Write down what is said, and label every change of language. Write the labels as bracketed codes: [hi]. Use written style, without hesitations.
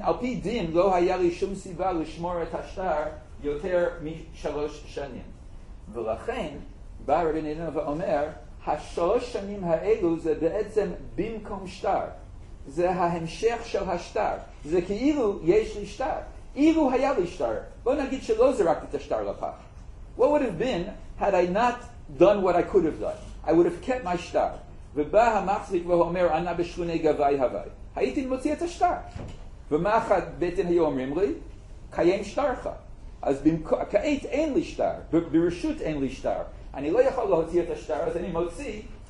[he] על פי דין לא היה לי שום סיבה לשמור את השטר יותר משלוש שנים. ולכן, בא רבי נינו ואומר, השלוש שנים האלו זה בעצם במקום שטר. זה ההמשך של השטר. זה כאילו יש לי שטר. אילו היה לי שטר, בוא נגיד שלא זרקתי את השטר לפח. [en] What would have been had I not done what I could have done? I would have kept my shtar. [he] ובא המחזיק ואומר, ענה בשכוני גבי הווי. הייתי מוציא את השטר. ומה אחד בטן היו אומרים לי? קיים שטרך. אז כעת אין לי שטר, ברשות אין לי שטר. אני לא יכול להוציא את השטר, אז אני מוציא